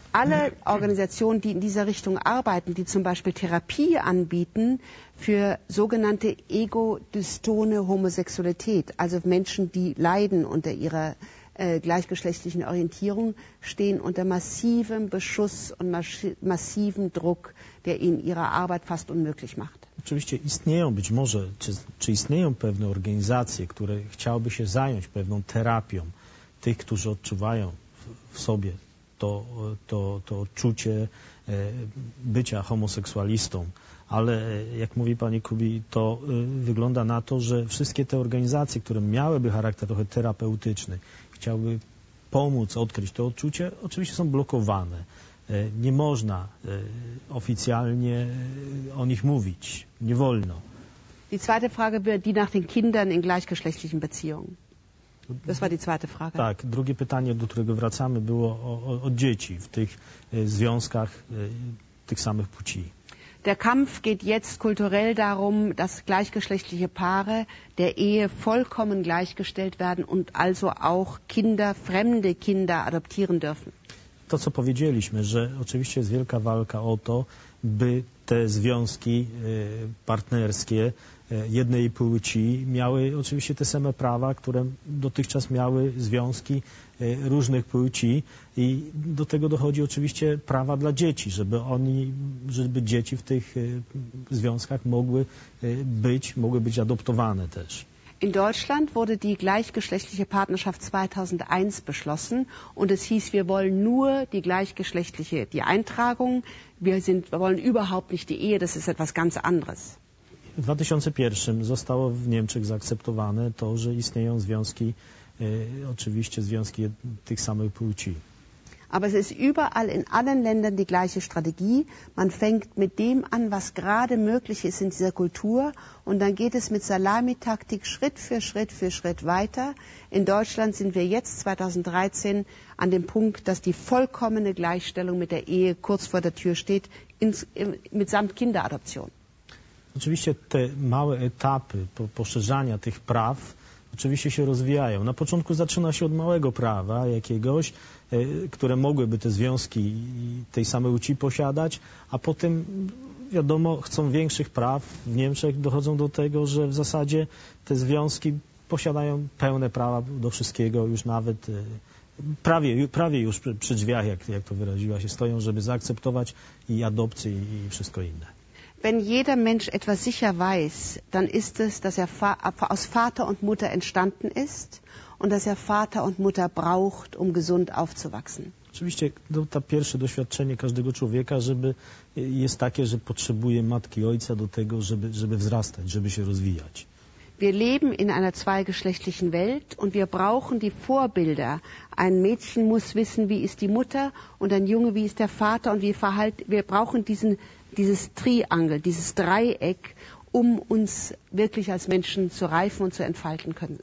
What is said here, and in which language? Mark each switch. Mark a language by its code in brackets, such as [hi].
[de] Alle Organisationen, die in dieser Richtung arbeiten, die zum Beispiel Therapie anbieten für sogenannte egodystone Homosexualität, also Menschen, die leiden unter ihrer gleichgeschlechtlichen Orientierung, stehen unter massivem Beschuss und massivem Druck, der ihnen ihre Arbeit fast unmöglich macht. [pl] Oczywiście istnieją być może, czy istnieją pewne organizacje, które chciałyby się zająć pewną terapią tych, którzy odczuwają w sobie to odczucie bycia homoseksualistą. Ale jak mówi pani Kubi, to wygląda na to, że wszystkie te organizacje, które miałyby charakter trochę terapeutyczny, chciałyby pomóc odkryć to odczucie, oczywiście są blokowane. Nie można oficjalnie o nich mówić. Nie wolno. [de] Die zweite Frage war die nach den Kindern in gleichgeschlechtlichen Beziehungen. Das war die zweite Frage. [pl] Tak, drugie pytanie, do którego wracamy, było o dzieci w tych związkach tych samych płci. [de] Der Kampf geht jetzt kulturell darum, dass gleichgeschlechtliche Paare der Ehe vollkommen gleichgestellt werden und also auch Kinder, fremde Kinder adoptieren dürfen. [pl] To, co powiedzieliśmy, że oczywiście jest wielka walka o to, by te związki partnerskie jednej płci miały oczywiście te same prawa, które dotychczas miały związki różnych płci. I do tego dochodzi oczywiście prawa dla dzieci, żeby dzieci w tych związkach mogły być adoptowane też. [de] In Deutschland wurde die gleichgeschlechtliche Partnerschaft 2001 beschlossen und es hieß, wir wollen nur die gleichgeschlechtliche, die Eintragung, wir wollen überhaupt nicht die Ehe, das ist etwas ganz anderes. [pl] W 2001 zostało w Niemczech zaakceptowane to, że istnieją związki, oczywiście związki tych samych płci. [de] Aber es ist überall in allen Ländern die gleiche Strategie. Man fängt mit dem an, was gerade möglich ist in dieser Kultur. Und dann geht es mit Salamitaktik Schritt für Schritt für Schritt weiter. In Deutschland sind wir jetzt 2013 an dem Punkt, dass die vollkommene Gleichstellung mit der Ehe kurz vor der Tür steht, mitsamt Kinderadoption. [pl] Oczywiście te małe etapy poszerzania tych praw oczywiście się rozwijają. Na początku zaczyna się od małego prawa jakiegoś, które mogłyby te związki tej samej płci posiadać, a potem, wiadomo, chcą większych praw. W Niemczech dochodzą do tego, że w zasadzie te związki posiadają pełne prawa do wszystkiego, już nawet prawie już przy drzwiach, jak to wyraziła się, stoją, żeby zaakceptować i adopcję i wszystko inne. [de] Wenn jeder Mensch etwas sicher weiß, dann ist es, dass er aus Vater und Mutter entstanden ist und dass er Vater und Mutter braucht, um gesund aufzuwachsen. [pl] Oczywiście to pierwsze doświadczenie każdego człowieka, żeby jest takie, że potrzebuje matki ojca do tego, żeby wzrastać, żeby się rozwijać. [de] Wir leben in einer zweigeschlechtlichen Welt und wir brauchen die Vorbilder. Ein Mädchen muss wissen, wie ist die Mutter und ein Junge, wie ist der Vater und wir brauchen dieses Triangel, dieses Dreieck, um uns wirklich als Menschen zu reifen und zu entfalten können.